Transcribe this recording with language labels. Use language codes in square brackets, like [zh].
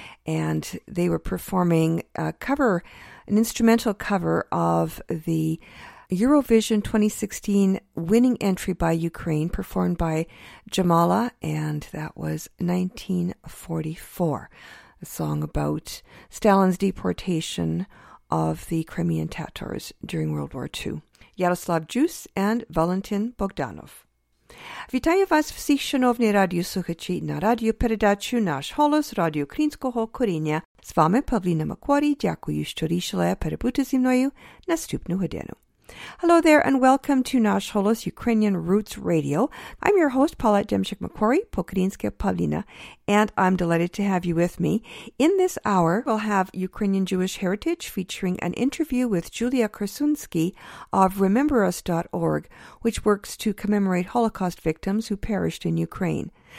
[en] And they were performing a cover, an instrumental cover of the Eurovision 2016 winning entry by Ukraine, performed by Jamala, and that was 1944, a song about Stalin's deportation of the Crimean Tatars during World War II. Yaroslav Juice and Valentin Bogdanov. [uk] Вітаю вас всіх, шановні радіослухачі, на радіопередачі «Наш голос» Радіо Українського коріння. З вами Павліна Макварі. Дякую, що рішили перебути зі мною наступну годину. [en] Hello there and welcome to Nash Holos Ukrainian Roots Radio. I'm your host, Paulette Demchik-Macquarie, Pokrinska Pavlina, and I'm delighted to have you with me. In this hour, we'll have Ukrainian Jewish Heritage featuring an interview with Julia Korsunsky of rememberus.org, which works to commemorate Holocaust victims who perished in Ukraine.